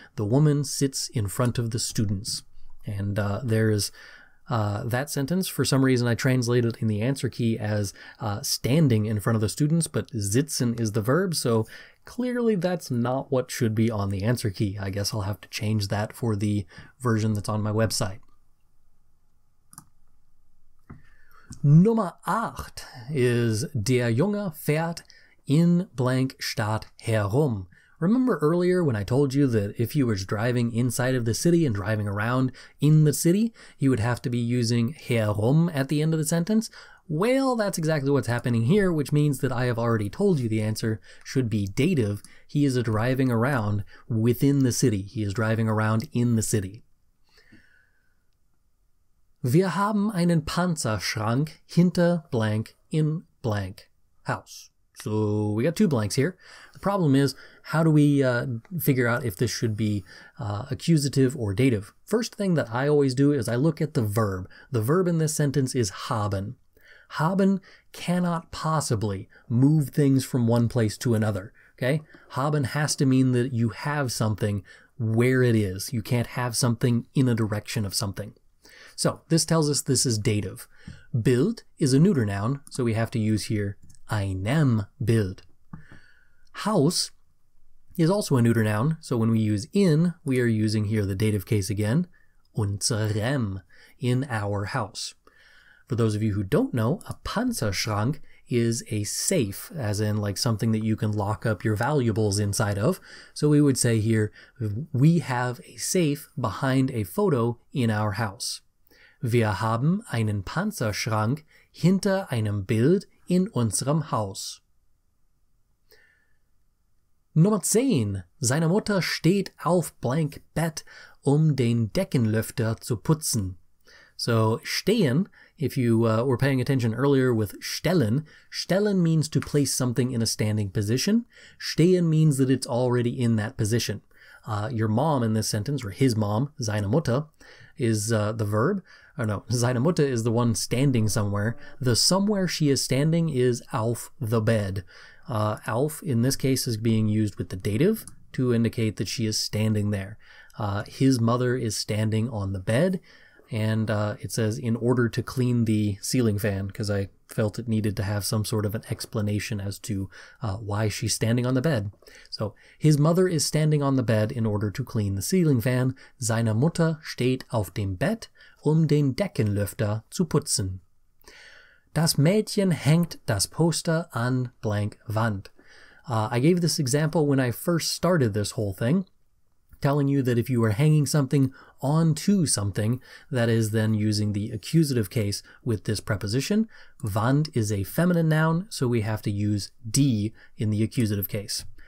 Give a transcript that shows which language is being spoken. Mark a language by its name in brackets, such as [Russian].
[English] The woman sits in front of the students. And there is that sentence. For some reason, I translated in the answer key as standing in front of the students, but sitzen is the verb, so clearly that's not what should be on the answer key. I guess I'll have to change that for the version that's on my website. [German] Nummer 8 is Der Junge fährt in blank Stadt herum. [English] Remember earlier when I told you that if you were driving inside of the city and driving around in the city, you would have to be using herum at the end of the sentence? Well, that's exactly what's happening here, which means that I have already told you the answer should be dative. He is driving around within the city. He is driving around in the city. [German] Wir haben einen Panzerschrank hinter blank in blank Haus. [English] So we got two blanks here. The problem is, how do we figure out if this should be accusative or dative? First thing that I always do is I look at the verb. The verb in this sentence is haben. Haben cannot possibly move things from one place to another, okay? Haben has to mean that you have something where it is. You can't have something in a direction of something. So this tells us this is dative. Bild is a neuter noun, so we have to use here einem Bild. House is also a neuter noun, so when we use in, we are using here the dative case again, unserem, in our house. For those of you who don't know, a Panzerschrank is a safe, as in like something that you can lock up your valuables inside of. So we would say here, we have a safe behind a photo in our house. [German] Wir haben einen Panzerschrank hinter einem Bild in unserem Haus. Nummer 10. Seine Mutter steht auf blank Bett, den Deckenlüfter zu putzen. [English] So stehen, if you were paying attention earlier with stellen, stellen means to place something in a standing position. Stehen means that it's already in that position. Your mom in this sentence, or his mom, seine Mutter, is the verb. Oh no, seine Mutter is the one standing somewhere. The somewhere she is standing is auf the bed. Auf, in this case, is being used with the dative to indicate that she is standing there. His mother is standing on the bed. And it says, in order to clean the ceiling fan, because I felt it needed to have some sort of an explanation as to why she's standing on the bed. So, his mother is standing on the bed in order to clean the ceiling fan. [German] Seine Mutter steht auf dem Bett, den Deckenlüfter zu putzen. Das Mädchen hängt das Poster an blank Wand. [English] I gave this example when I first started this whole thing, telling you that if you were hanging something onto something, that is then using the accusative case with this preposition. Wand is a feminine noun, so we have to use die in the accusative case.